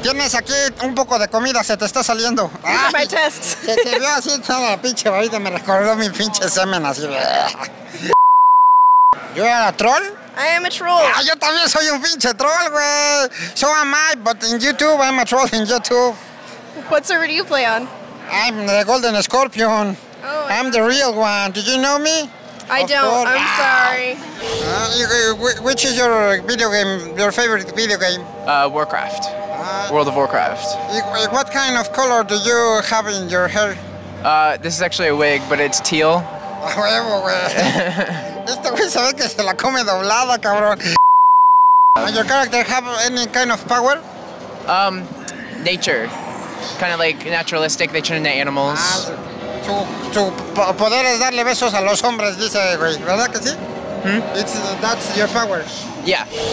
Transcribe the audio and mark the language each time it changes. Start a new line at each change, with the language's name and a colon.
Spanish: Tienes aquí un poco de comida, se te está saliendo.
English: These are my tests.
Spanish: Se te vio así toda la pinche barita, me recordó mi pinche semen así. ¿Yo era troll?
English: I am a troll.
Spanish: Ah, yo también soy un pinche troll, güey.
English: So am I, but in YouTube, I'm a troll in YouTube. What server do you play on? I'm the Golden Scorpion. Oh, I'm the real one. Did you know me? I don't. Course. I'm sorry. Which is your video game, your favorite video game? Warcraft. World of Warcraft. What kind of color do you have in your hair? This is actually a wig, but it's teal.
Spanish: Huevo, güey. Este güey sabe que se la come doblada, cabrón. Does your character have any kind of power? Nature. Kind of like naturalistic, they turn into animals. Tu poder es darle besos a los hombres, dice güey. ¿Verdad que sí?
English: That's your power. Yeah.